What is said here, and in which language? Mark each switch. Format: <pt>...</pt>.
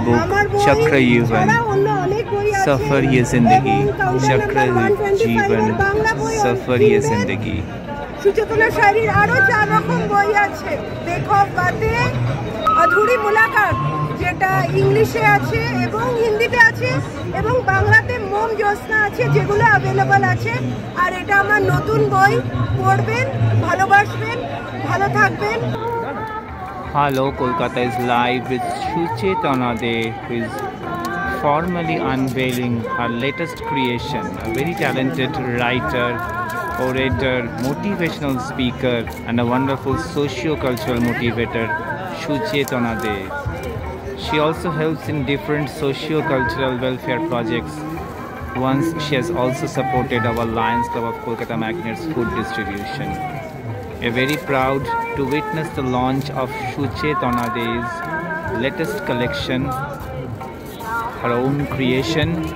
<hi>Book चक्र जीवन सफर ये जिंदगी, चक्र जीवन सफर ये जिंदगी.</hi> <bn>সুচেতনা শাইরির আরো চার রকম বই আছে, লেখক বাদে অধুরি মুলাকাত যেটা ইংলিশে আছে এবং হিন্দিতে আছে এবং বাংলাতে মোম জ্যোৎস্না আছে, যেগুলো অ্যাভেলেবল আছে। আর এটা আমার নতুন বই, পড়বেন, ভালোবাসবেন, ভালো থাকবেন।</bn> <en>Hello, Kolkata is live with Suchetana De, who is formally unveiling her latest creation, a very talented writer, orator, motivational speaker and a wonderful socio-cultural motivator, Suchetana De. She also helps in different socio-cultural welfare projects. Once she has also supported our Lions Club of Kolkata Magnets food distribution. We are very proud to witness the launch of Suchetana De's latest collection, her own creation.</en>